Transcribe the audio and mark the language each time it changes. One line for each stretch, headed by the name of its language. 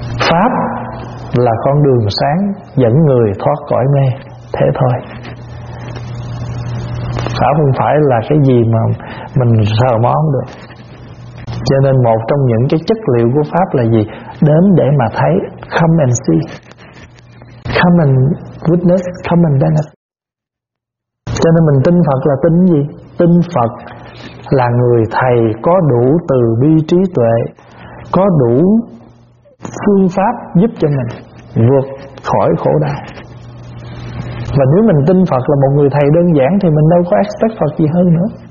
Vietnamese: Pháp là con đường sáng dẫn người thoát cõi mê, thế thôi. Pháp không phải là cái gì mà mình sờ mó được. Cho nên một trong những cái chất liệu của Pháp là gì? Đến để mà thấy.
English: Come and see, come and witness, come and benefit.
Vietnamese: Cho nên mình tin Phật là tin gì? Tin Phật là người thầy có đủ từ bi trí tuệ, có đủ phương pháp giúp cho mình vượt khỏi khổ đau. Và nếu mình tin Phật là một người thầy đơn giản thì mình đâu có expect Phật gì hơn nữa.